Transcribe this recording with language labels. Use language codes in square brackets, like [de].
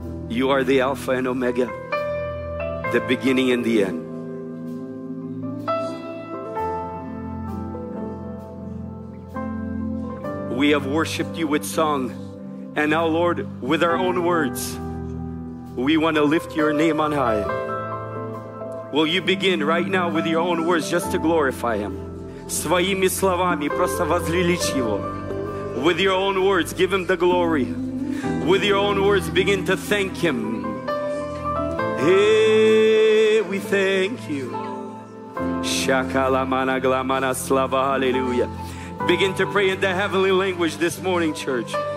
[en] You are the Alpha and Omega, the beginning and the end. We have worshiped You with song, and now, Lord, with our own words, we want to lift Your name on high. Will you begin right now with your own words just to glorify Him? [ru] Своими словами, просто возвеличь Его. [en] With your own words, give Him the glory. With your own words, begin to thank Him. Hey, we thank You. Shakala mana glamana slava, hallelujah. Begin to pray in the heavenly language this morning, church.